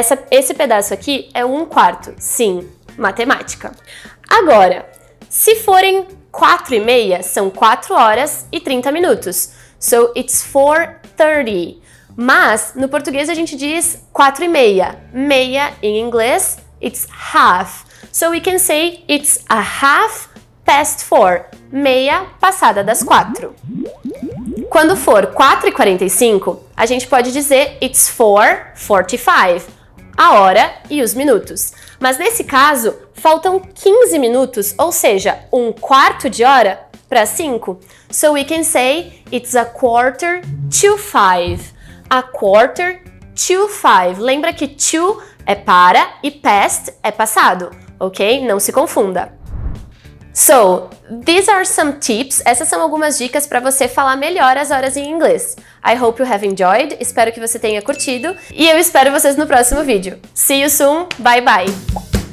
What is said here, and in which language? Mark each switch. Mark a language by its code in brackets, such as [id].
[pt] Esse pedaço aqui é um quarto, sim, matemática. Agora, se forem 4:30, são 4 horas e 30 minutos, [en] so it's 4:30. [pt] Mas, no português, a gente diz 4:30. Meia, em inglês, [en] it's half. So we can say it's a half past 4. [pt] Meia passada das 4. Quando for 4:45, a gente pode dizer [en] it's 4:45. [pt] A hora e os minutos. Mas, nesse caso, faltam 15 minutos, ou seja, um quarto de hora para 5. [en] So we can say it's a quarter to 5. A quarter to 5. [pt] Lembra que to é para e past é passado, ok? Não se confunda. [en] So, these are some tips. [pt] Essas são algumas dicas para você falar melhor as horas em inglês. [en] I hope you have enjoyed. [pt] Espero que você tenha curtido. E eu espero vocês no próximo vídeo. [en] See you soon. Bye, bye.